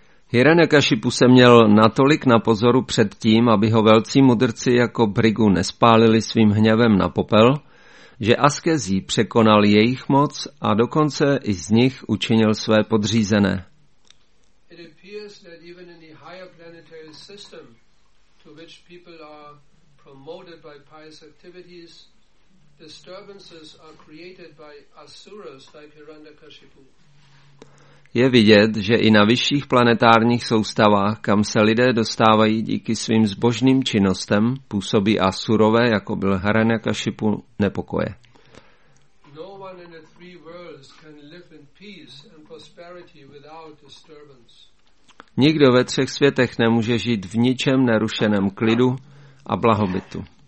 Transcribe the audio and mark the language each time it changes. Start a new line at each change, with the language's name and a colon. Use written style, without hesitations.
Czech: Hiranyakashipu se měl natolik na pozoru před tím, aby ho velcí mudrci jako Bhrigu nespálili svým hněvem na popel, že askezí překonal jejich moc a dokonce i z nich učinil své podřízené.
English: It appears that even in the higher planetary system to which people are promoted by pious activities, disturbances are created by asuras like Hiranyakashipu.
Czech: Je vidět, že i na vyšších planetárních soustavách, kam se lidé dostávají díky svým zbožným činnostem, působí asurové, jako byl Hiranyakashipu, nepokoje.
English: No one in the three worlds can live in peace and prosperity without disturbance.
Czech: Nikdo ve třech světech nemůže žít v ničem nerušeném klidu a blahobytu.